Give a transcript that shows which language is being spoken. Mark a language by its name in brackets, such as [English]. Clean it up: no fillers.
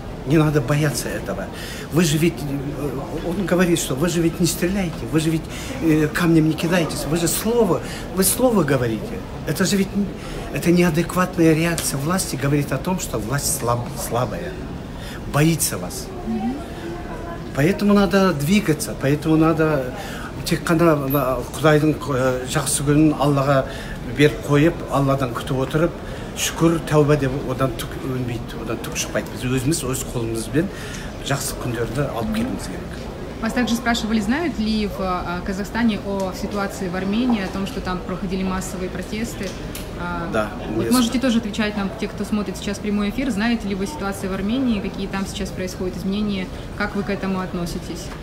[Russian] Не надо бояться этого. Вы же ведь, он говорит, что вы же ведь не стреляете, вы же ведь камнем не кидаетесь, вы слово говорите. Это же ведь, это неадекватная реакция власти, говорит о том, что власть слабая, боится вас. Поэтому надо двигаться, поэтому надо, [Kazakh] тек қана Құдайдың жақсы күнін Аллаға беріп қойып, Алладан күтіп отырып, шүкір тәубе деп одан түк өнбейді, одан түк шықпайды. Біз өзіміз өз қолымызбен жақсы күндерді алып келуіміз керек. [Russian] Вас также спрашивали, знают ли в Казахстане о ситуации в Армении, о том, что там проходили массовые протесты? Да. Вот можете тоже отвечать нам, те, кто смотрит сейчас прямой эфир, знаете ли вы ситуацию в Армении, какие там сейчас происходят изменения, как вы к этому относитесь?